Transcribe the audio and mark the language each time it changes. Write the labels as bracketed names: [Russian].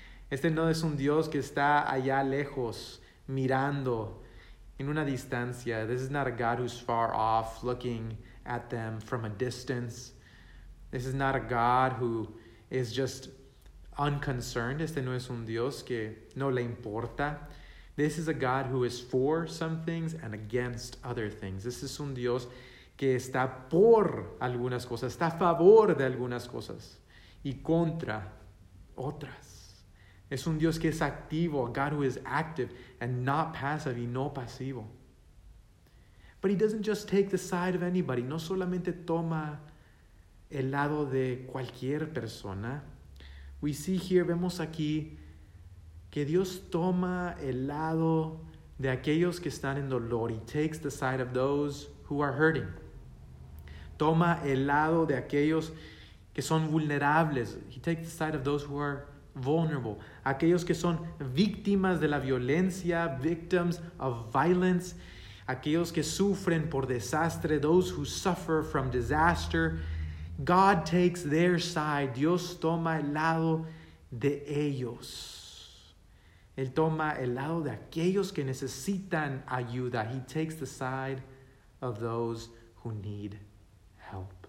[Spanish] Este no es un Dios que está allá lejos mirando en una distancia. [English] This is not a God who's far off looking at them from a distance. This is not a God who is just unconcerned. [Spanish] Este no es un Dios que no le importa. [English] This is a God who is for some things and against other things. This is [Spanish] un Dios que está por algunas cosas, está a favor de algunas cosas y contra otras. Es un Dios que es activo, [English] a God who is active and not passive [Spanish] y no pasivo. [English] But he doesn't just take the side of anybody. [Spanish] No solamente toma el lado de cualquier persona. [English] We see here, [Spanish] vemos aquí, que Dios toma el lado de aquellos que están en dolor. [English] He takes the side of those who are hurting. [Spanish] Toma el lado de aquellos que son vulnerables. [English] He takes the side of those who are vulnerable. [Spanish] Aquellos que son víctimas de la violencia, [English] victims of violence. [Spanish] Aquellos que sufren por desastre, [English] those who suffer from disaster. God takes their side. [Spanish] Dios toma el lado de ellos. Él toma el lado de aquellos que necesitan ayuda. [English] He takes the side of those who need help.